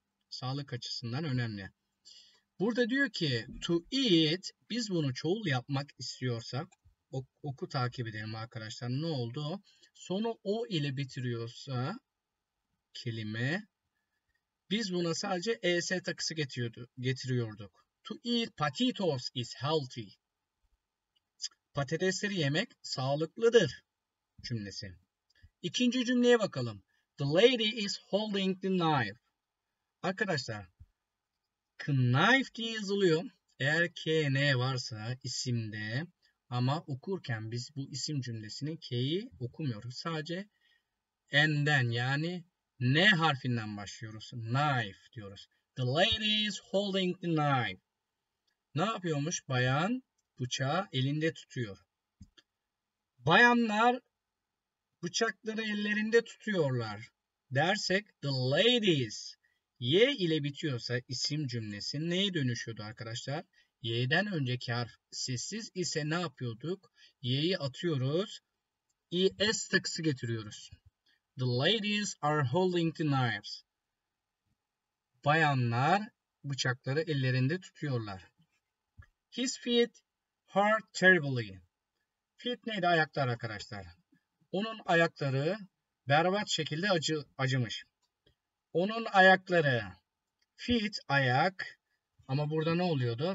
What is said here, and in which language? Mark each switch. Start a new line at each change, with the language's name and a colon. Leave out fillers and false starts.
Turkish: Sağlık açısından önemli. Burada diyor ki to eat, biz bunu çoğul yapmak istiyorsak oku takip edelim arkadaşlar. Ne oldu? Sonu o ile bitiriyorsa kelime, biz buna sadece es takısı getiriyorduk.
English: To eat potatoes is healthy.
Turkish: Patatesleri yemek sağlıklıdır cümlesi. İkinci cümleye bakalım.
English: The lady is holding the knife.
Turkish: Arkadaşlar, knife diye yazılıyor. Eğer kn varsa isimde, ama okurken biz bu isim cümlesini k'yi okumuyoruz. Sadece n'den, yani n harfinden başlıyoruz. Knife diyoruz.
English: The lady is holding the knife.
Turkish: Ne yapıyormuş? Bayan bıçağı elinde tutuyor. Bayanlar bıçakları ellerinde tutuyorlar dersek, the ladies, y ile bitiyorsa isim cümlesi neye dönüşüyordu arkadaşlar? Y'den önceki harf sessiz ise ne yapıyorduk? Y'yi atıyoruz. ES takısı getiriyoruz.
English: The ladies are holding the knives.
Turkish: Bayanlar bıçakları ellerinde tutuyorlar.
English: His feet hurt terribly.
Turkish: Feet neydi? Ayaklar arkadaşlar. Onun ayakları berbat şekilde acımış. Onun ayakları, feet ayak, ama burada ne oluyordu?